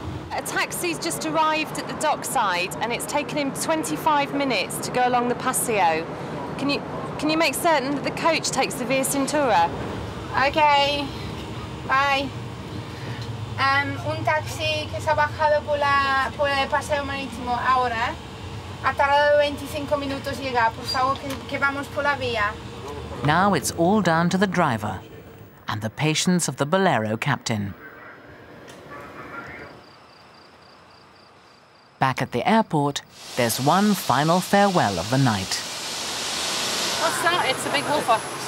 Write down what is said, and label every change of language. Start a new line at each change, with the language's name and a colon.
English: A taxi's just arrived at the dockside and it's taken him 25 minutes to go along the paseo. Can you make certain that the coach takes the Via Cintura? Okay. Bye.
Spanish: Un taxi que se ha bajado por el paseo marítimo ahora ha tardado 25 minutos llegar. Por favor, que vamos por la vía.
English: Now it's all down to the driver and the patience of the Bolero captain. Back at the airport, there's one final farewell of the night. What's that? It's a big woofer.